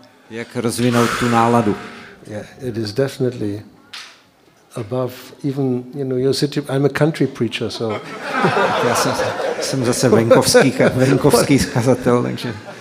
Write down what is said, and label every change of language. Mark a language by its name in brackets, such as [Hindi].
[Czech] Jak rozvinout tu náladu? [English] Yeah, it is definitely above even, you know, your city. I'm a country preacher, so. [Czech] Já jsem zase venkovský kazatel, takže.